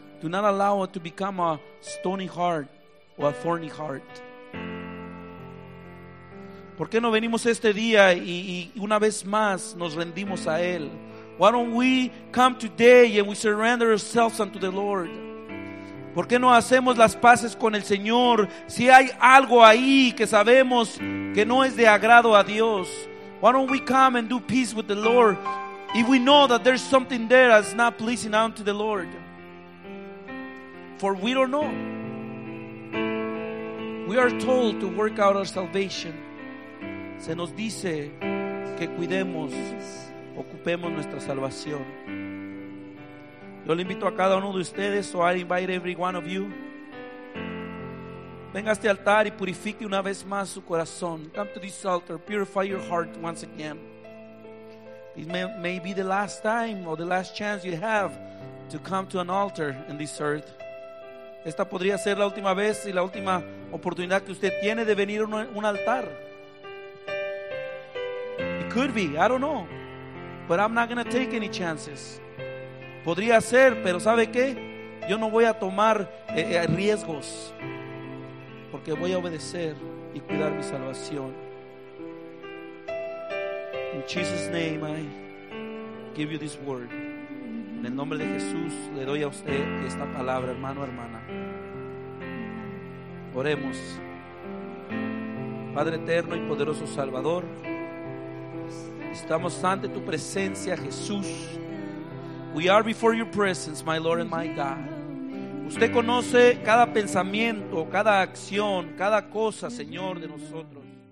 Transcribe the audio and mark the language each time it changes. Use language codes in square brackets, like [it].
[en] Do not allow it to become a stony heart or a thorny heart. [es] ¿Por qué no venimos este día y una vez más nos rendimos a Él? [en] Why don't we come today and we surrender ourselves unto the Lord? [es] ¿Por qué no hacemos las paces con el Señor? Si hay algo ahí que sabemos que no es de agrado a Dios, [en] why don't we come and do peace with the Lord? If we know that there's something there that's not pleasing unto the Lord. For we don't know. We are told to work out our salvation. [es] Se nos dice que cuidemos, ocupemos nuestra salvación. Yo le invito a cada uno de ustedes, [en] so I invite every one of you. [es] Venga a este altar y purifique una vez más su corazón. [en] Come to this altar, purify your heart once again. This may be the last time or the last chance you have to come to an altar in this earth. [es] Esta podría ser la última vez y la última oportunidad que usted tiene de venir a un altar. [en] It could be, I don't know. But I'm not going to take any chances. [es] Podría ser, pero ¿sabe qué? Yo no voy a tomar riesgos. Porque voy a obedecer y cuidar mi salvación. [en] In Jesus' name I give you this word. [es] En el nombre de Jesús le doy a usted esta palabra, hermano, hermana. Oremos. Padre eterno y poderoso Salvador, estamos ante tu presencia, Jesús. [en] We are before your presence, my Lord and my God. [es] Usted conoce cada pensamiento, cada acción, cada cosa, Señor, de nosotros.